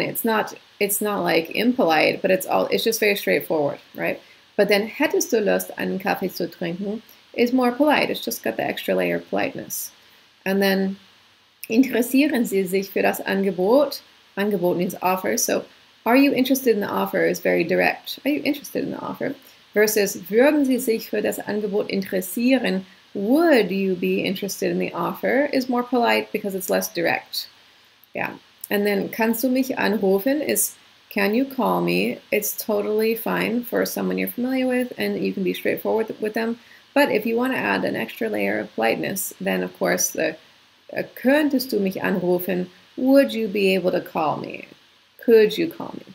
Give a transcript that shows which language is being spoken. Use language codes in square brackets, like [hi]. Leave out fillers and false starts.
[en] It's not like impolite, but it's just very straightforward, right? [de] But then hättest du Lust, einen Kaffee zu trinken is more polite. [en] It's just got the extra layer of politeness. And then interessieren Sie sich für das Angebot? Angebot means offer. So are you interested in the offer is very direct. Are you interested in the offer? [de] Versus würden Sie sich für das Angebot interessieren? [en] Would you be interested in the offer is more polite because it's less direct. Yeah. And then kannst du mich anrufen is can you call me? It's totally fine for someone you're familiar with and you can be straightforward with them. But if you want to add an extra layer of politeness, then of course the könntest du mich anrufen, would you be able to call me? Could you call me?